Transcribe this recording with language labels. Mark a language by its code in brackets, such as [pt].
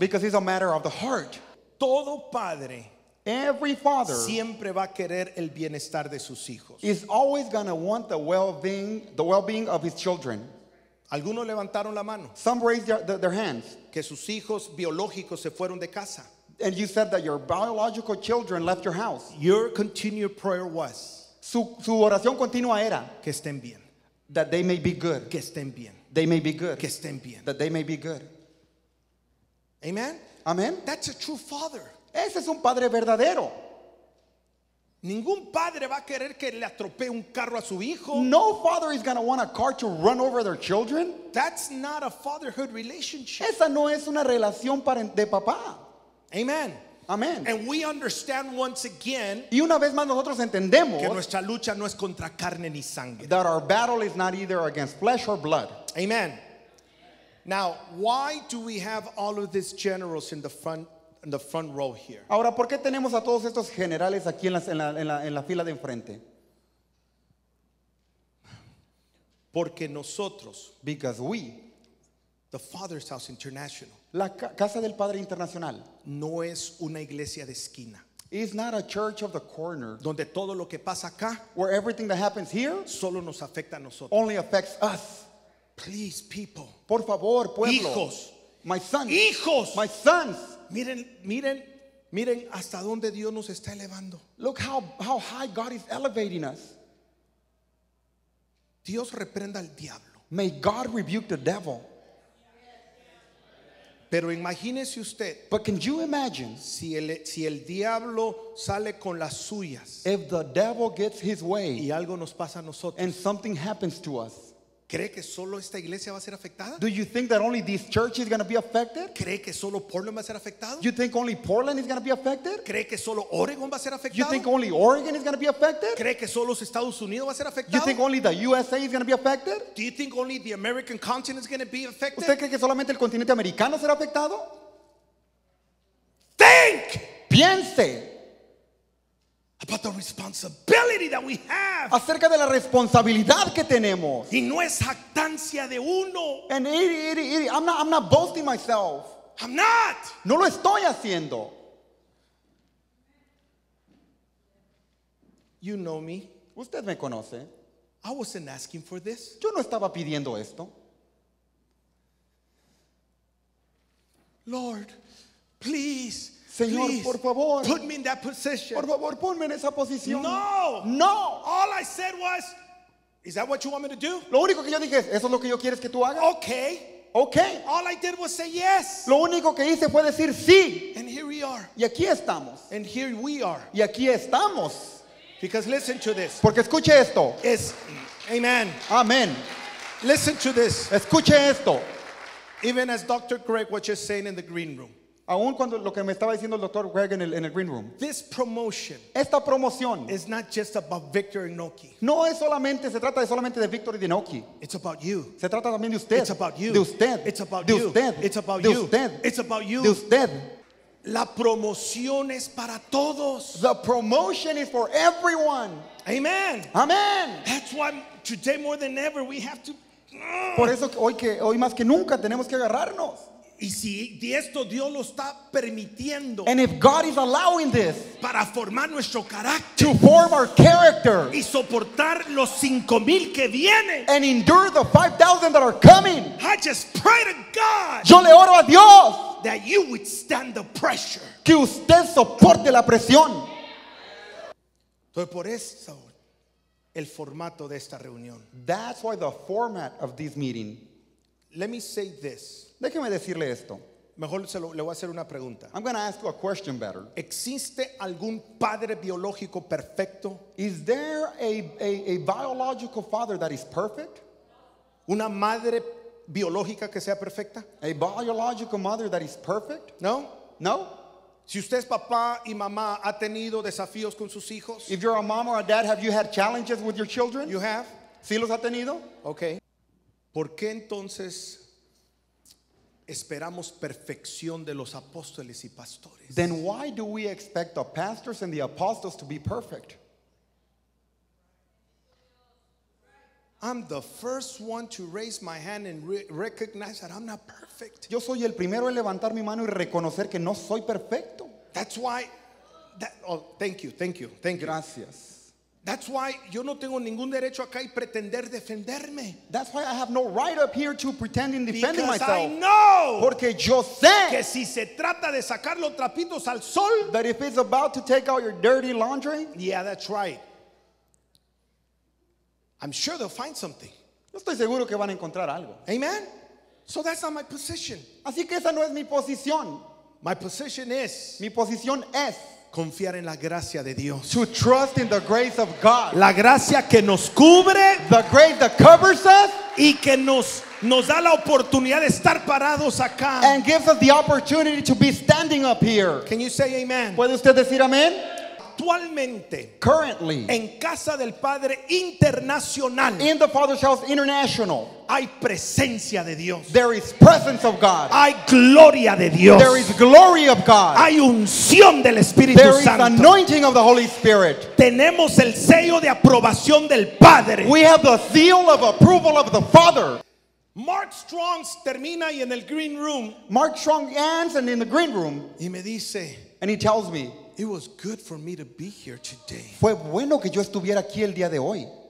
[en] Because it's a matter of the heart. [es] Todo padre, [en] every father, [es] siempre va a querer el bienestar de sus hijos. [en] Is always going to want the well-being of his children. [es] Algunos levantaron la mano. [en] Some raised their hands. [es] Que sus hijos biológicos se fueron de casa. [en] And you said that your biological children left your house. Your continued prayer was. [es] Su oración continua era. Que estén bien. [en] That they may be good. [es] Que estén bien. [en] They may be good. [es] Que estén bien. [en] That they may be good. Amen. Amen. That's a true father. [es] Ese es un padre verdadero. Ningún padre va a querer que le atropee un carro a su hijo. [en] No father is going to want a car to run over their children. That's not a fatherhood relationship. [es] Esa no es una relación de papá. Amen. Amen. [en] And we understand once again. [es] Y una vez más nosotros entendemos que nuestra lucha no es contra carne ni sangre. [en] That our battle is not either against flesh or blood. Amen. Now, why do we have all of these generals in the front row here? [es] Ahora, ¿por qué tenemos a todos estos generales aquí en la fila de enfrente? Porque nosotros, [en] because we, the Father's House International, [es] la casa del Padre Internacional, no es una iglesia de esquina. [en] It's not a church of the corner, [es] donde todo lo que pasa acá, [en] where everything that happens here, [es] solo nos afecta a nosotros, [en] only affects us. Please, people. [es] Por favor, pueblo. Hijos. [en] My sons. [es] Hijos. [en] My sons. [es] Miren hasta donde Dios nos está elevando. [en] Look how high God is elevating us. [es] Dios reprenda al diablo. [en] May God rebuke the devil. [es] Pero imagínese usted. [en] But can you imagine? [es] Si el diablo sale con las suyas. [en] If the devil gets his way. [es] Y algo nos pasa a nosotros. [en] And something happens to us. [es] ¿Cree que solo esta iglesia va a ser afectada? [en] Do you think that only this church is going to be affected? [es] ¿Cree que solo Portland va a ser afectado? [en] You think only Portland is going to be affected? [es] ¿Cree que solo Oregon va a ser afectado? [en] You think only Oregon is going to be affected? [es] ¿Cree que solo los Estados Unidos va a ser afectado? [en] You think only the USA is going to be affected? Do you think only the American continent is going to be affected? [es] ¿Usted cree que solamente el continente americano será afectado? [en] Think! [es] Piense. [en] About the responsibility that we have. [es] Acerca de la responsabilidad que tenemos. Y no es jactancia de uno. [en] And it, I'm not boasting myself. I'm not. [es] No lo estoy haciendo. [en] You know me. [es] Usted me conoce. [en] I wasn't asking for this. [es] Yo no estaba pidiendo esto. [en] Lord, please. [es] Señor, [en] please, [es] por favor, [en] put me in that position. [es] Por favor, ponme en esa posición. No. No. [en] All I said was, is that what you want me to do? [es] Lo único que yo dije es, ¿eso es lo que yo quieres que tú hagas? [en] Okay. Okay. All I did was say yes. [es] Lo único que hice fue decir sí. [en] And here we are. [es] Y aquí estamos. [en] And here we are. [es] Y aquí estamos. [en] Because listen to this. [es] Porque escuche esto. [en] Is, amen. Amen. Listen to this. [es] Escuche esto. [en] Even as Dr. Greg was just saying in the green room. [es] Aún cuando lo que me estaba diciendo el doctor Greg en el green room. [en] This promotion. [es] Esta promoción. [en] Is not just about Victor and Noki. [es] No es solamente, se trata solamente de Victor y de Noki. [en] It's about you. [es] Se trata también de usted. [en] It's about you. [es] De usted. [en] It's about [es] de [en] you. [es] Usted. [en] It's about [es] de [en] you. [es] Usted. [en] It's about you. [es] De usted. La promoción es para todos. [en] The promotion is for everyone. Amen. Amen. That's why today more than ever we have to. [es] Por eso hoy más que nunca tenemos que agarrarnos. Y si esto Dios lo está permitiendo. [en] And if God is allowing this. [es] Para formar nuestro carácter. [en] To form our character. [es] Y soportar los 5,000 que vienen. [en] And endure the 5,000 that are coming. I just pray to God. [es] Yo le oro a Dios. [en] That you withstand the pressure. [es] Que usted soporte la presión. Entonces por eso el formato de esta reunión. [en] That's why the format of this meeting. Let me say this. [es] Déjeme decirle esto. Mejor le voy a hacer una pregunta. [en] I'm going to ask you a question better. [es] ¿Existe algún padre biológico perfecto? [en] Is there a biological father that is perfect? [es] ¿Una madre biológica que sea perfecta? [en] A biological mother that is perfect? No. No. [es] Si usted es papá y mamá, ¿ha tenido desafíos con sus hijos? [en] If you're a mom or a dad, have you had challenges with your children? You have. [es] ¿Sí los ha tenido? [en] Okay. [es] ¿Por qué entonces esperamos perfección de los apóstoles y pastores? [en] Then why do we expect the pastors and the apostles to be perfect? I'm the first one to raise my hand and recognize that I'm not perfect. [es] Yo soy el primero en levantar mi mano y reconocer que no soy perfecto. [en] That's why. Thank you. [es] Gracias. [en] That's why [es] yo no tengo ningún derecho acá y pretender defenderme. [en] That's why I have no right up here to pretend in defending because myself. Because I know. [es] Porque yo sé que si se trata de sacar los trapitos al sol. [en] That if it's about to take out your dirty laundry. Yeah, that's right. I'm sure they'll find something. [es] Yo estoy seguro que van a encontrar algo. [en] Amen. So that's not my position. [es] Así que esa no es mi posición. [en] My position is. [es] Mi posición es. Confiar en la gracia de Dios. [en] To trust in the grace of God. [es] La gracia que nos cubre. [en] The grace that covers us. [es] Y que nos da la oportunidad de estar parados acá. [en] And gives us the opportunity to be standing up here. Can you say amen? [es] ¿Puede usted decir amén? Actualmente. [en] Currently. [es] En casa del Padre Internacional. [en] In the Father's House International. [es] Hay presencia de Dios. [en] There is presence of God. [es] Hay gloria de Dios. [en] There is glory of God. [es] Hay unción del Espíritu Santo. [en] There is anointing of the Holy Spirit. [es] Tenemos el sello de aprobación del Padre. [en] We have the seal of approval of the Father. [es] Mark Strong termina y en el green room. [en] Mark Strong ends and in the green room. [es] Y me dice. [en] And he tells me. It was good for me to be here today. [es] Fue bueno que yo estuviera aquí el día de hoy.